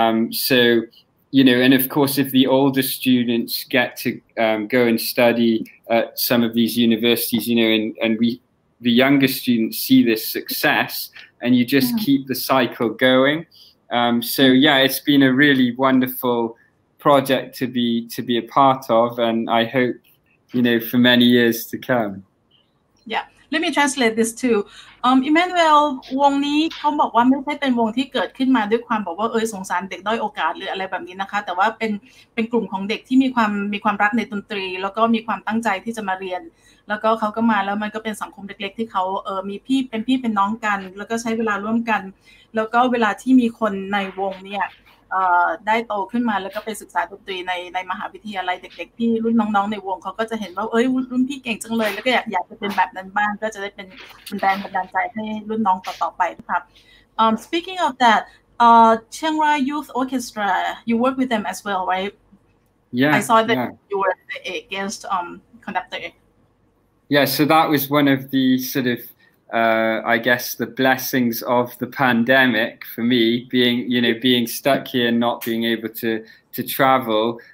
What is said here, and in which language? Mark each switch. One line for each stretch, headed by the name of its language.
English: So, you know, and of course, if the older students get to go and study at some of these universities, you know, and the younger students see this success, and you just keep the cycle going. It's been a really wonderful project to be a part of, and I hope, you know, for many years to come. Yeah, let me translate this too.
Thai: Emmanuel วงนี้เขาบอกว่าไม่ใช่เป็นวงที่เกิดขึ้นมาด้วยความบอกว่าเอ้ยสงสารเด็กด้อยโอกาสหรืออะไรแบบนี้นะคะแต่ว่าเป็นกลุ่มของเด็กที่มีความรักในดนตรีแล้วก็มีความตั้งใจที่จะมาเรียนแล้วก็เขาก็มาแล้วมันก็เป็นสังคมเล็กๆที่เขามีพี่เป็นน้องกันแล้วก็ใช้เวลาร่วมกันแล้วก็เวลาที่มีคนในวงเนี่ย ได้โตขึ้นมาแล้วก็ไปศึกษาดนตรีในมหาวิทยาลัยเด็กๆที่รุ่นน้องๆในวงเขาก็จะเห็นว่าเอ้ยรุ่นพี่เก่งจังเลยแล้วก็อยากจะเป็นแบบนั้นบ้างก็จะได้เป็นแรงบันดาลใจให้รุ่นน้องต่อๆไปครับ
English: speaking of that Chiangrai Youth Orchestra you work with them as well right yeah I saw that yeah. you were the guest conductor yeah so that was one of the sort of I guess the blessings of the pandemic for me being stuck here and not being able to travel.